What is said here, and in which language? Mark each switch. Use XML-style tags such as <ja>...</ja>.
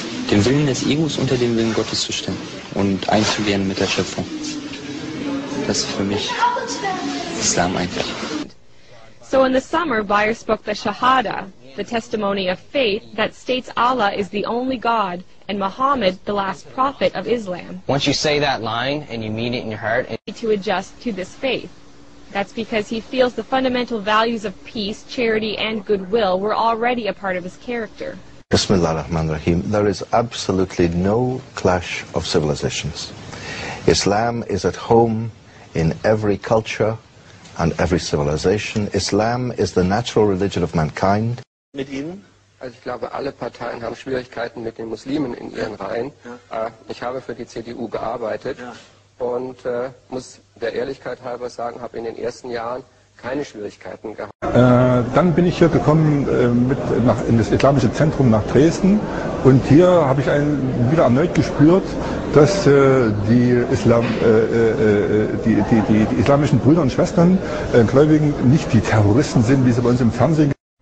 <de>Dem Willen des Egos unter dem Willen Gottes zu stimmen und eins zu werden mit der Schöpfung. Das ist für mich Islam eigentlich.</de> <en>So in the summer, Bayer spoke the Shahada, the testimony of faith that states Allah is the only God and Muhammad the last prophet of Islam. Once you say that line and you mean it in your heart, you need to adjust to this faith. That's because he feels the fundamental values of peace, charity, and goodwill were already a part of his character.</en> <ar>Bismillah ar-Rahman ar-Rahim.</ar> <en>There is absolutely no clash of civilizations. Islam is at home in every culture and every civilization. Islam is the natural religion of mankind.</en> <de>Mit Ihnen? Also ich glaube, alle Parteien haben Schwierigkeiten mit den Muslimen in ihren Reihen. Ja. Ich habe für die CDU gearbeitet, ja. Und muss der Ehrlichkeit halber sagen, habe in den ersten Jahren keine Schwierigkeiten gehabt. Dann bin ich hier gekommen in das islamische Zentrum nach Dresden, und hier habe ich wieder erneut gespürt, dass die islamischen Brüder und Schwestern, Gläubigen, nicht die Terroristen sind, wie sie bei uns im Fernsehen.</de>